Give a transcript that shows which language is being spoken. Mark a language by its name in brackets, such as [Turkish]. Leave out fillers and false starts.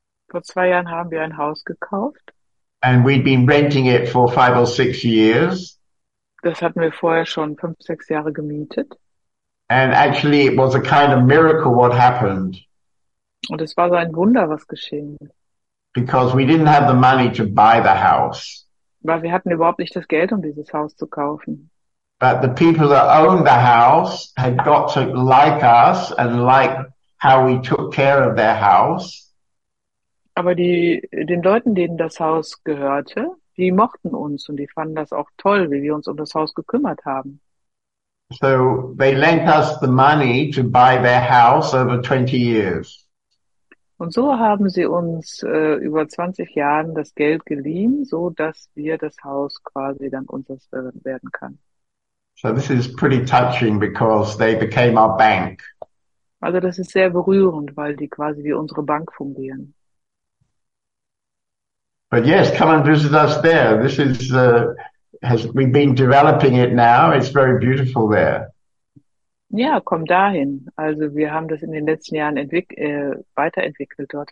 [German] Vor zwei Jahren haben wir ein Haus gekauft. [English] And we'd been renting it for 5 or 6 years. [German] Das hatten wir vorher schon 5, 6 Jahre gemietet. [English] And actually, it was a kind of miracle what happened. [German] Und es war so ein Wunder, was geschehen. [English] Because we didn't have the money to buy the house. [German] Weil wir hatten überhaupt nicht das Geld, um dieses Haus zu kaufen. [English] But the people that owned the house had got to like us and like how we took care of their house. [German] Aber die, den Leuten, denen das Haus gehörte, die mochten uns und die fanden das auch toll, wie wir uns um das Haus gekümmert haben. [English] So they lent us the money to buy their house over 20 years. [German] Und so haben sie uns über 20 Jahren das Geld geliehen, so dass wir das Haus quasi dann unseres werden kann. [English] So this is pretty touching because they became our bank. [German] Also das ist sehr berührend, weil die quasi wie unsere Bank fungieren. [English] But yes, come and visit us there. This is we've been developing it now. It's very beautiful there. [German] Ja, komm dahin. Also wir haben das in den letzten Jahren weiterentwickelt dort.